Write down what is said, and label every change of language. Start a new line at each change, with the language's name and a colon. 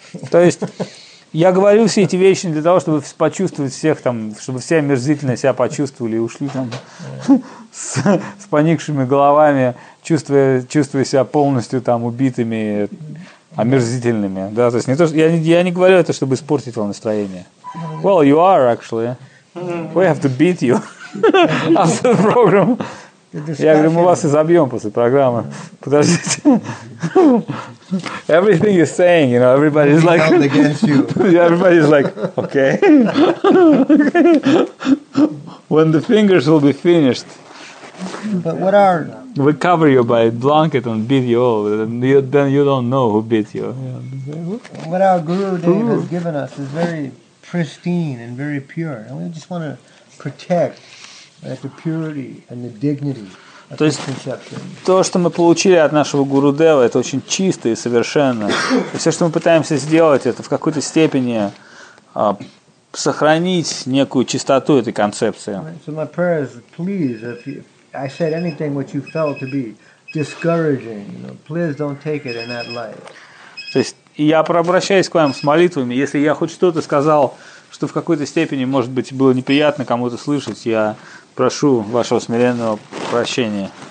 Russian: То есть я говорю все эти вещи не для того, чтобы почувствовать всех там, чтобы все омерзительно себя почувствовали и ушли там с поникшими головами, чувствуя себя полностью там убитыми, омерзительными. Да, то есть не то, что, я не говорю это, чтобы испортить вам настроение.
English: Well, you are actually. We have to beat you after the program.
Russian: Я говорю, мы вас изобьем после программы. Подождите.
English: Everything you're saying, you know, everybody is like against you. Everybody is like, okay. When the fingers will be finished. But what are we cover you by a blanket and beat you all, and you, then you don't know who beat you. What our Gurudev has given us is very pristine and very pure, and we just want to protect, right, the purity and the dignity of this conception.
Russian: То, что мы получили от нашего Гурудева, это очень чисто и совершенно. И все, что мы пытаемся сделать, это в какой-то степени сохранить некую чистоту этой концепции.
English: So my prayer is, please, if you, I said anything which you felt to be discouraging, you know, please don't take it in that light.
Russian: То есть я обращаюсь к вам с молитвами, если я хоть что-то сказал, что в какой-то степени, может быть, было неприятно кому-то слышать, я прошу вашего смиренного прощения.